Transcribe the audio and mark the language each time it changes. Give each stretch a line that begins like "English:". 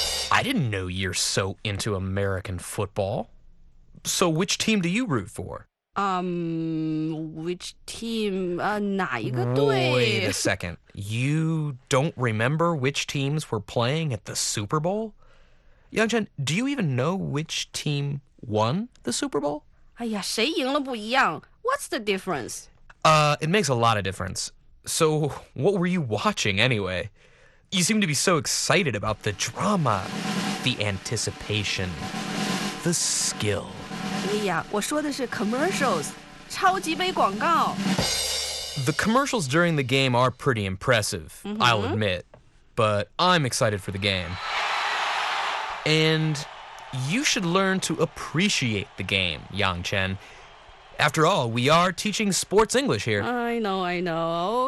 English: I didn't know you're so into American football. So which team do you root for? Which team?
Chinese: 哪一个队
English: Wait a second. You don't remember which teams were playing at the Super Bowl? Yangchen, do you even know which team won the Super Bowl?
Chinese: 哎呀，谁赢了不一样
English: What's the difference? It makes a lot of difference. So, what were you watching anyway? You seem to be so excited about the drama, the anticipation, the skill.
Chinese: 哎呀，我说的是 commercials, 超级杯广告。
English: The commercials during the game are pretty impressive,、mm-hmm. I'll admit. But I'm excited for the game. And you should learn to appreciate the game, Yang Chen. After all, we are teaching sports English here. I know.